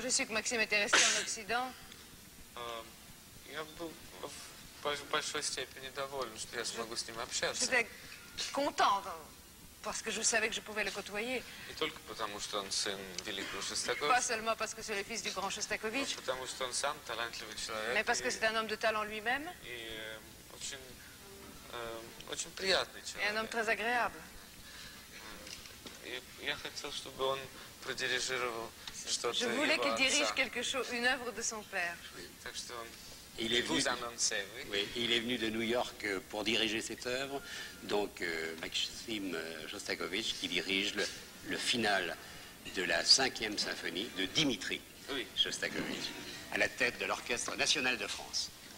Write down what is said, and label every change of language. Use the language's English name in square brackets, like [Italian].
[French] je sais que Maxime était resté en Occident, [Russian] Я был в большой степени доволен, что я смогу с ним общаться. [French] Content, parce que je savais que je pouvais le côtoyer. [Russian] Не только потому, что он сын великого [French] Шостаковича. Pas seulement parce que c'est le fils du grand Шостакович. [Russian] Потому, что он сам талантливый человек. [French] Mais parce que c'est un homme de talent lui-même. [Russian] И очень приятный человек. [French] Et un homme très agréable. [Russian] Я хотел, чтобы он продирижировал что-то. [French] Je voulais qu'il dirige quelque chose, une œuvre de son père. [Russian] Так что он... [French] Il est, vous annoncé, oui. Oui, il est venu de New York pour diriger cette œuvre, donc Maxim Shostakovich qui dirige le final de la 5e symphonie de Dimitri Shostakovich, à la tête de l'Orchestre National de France.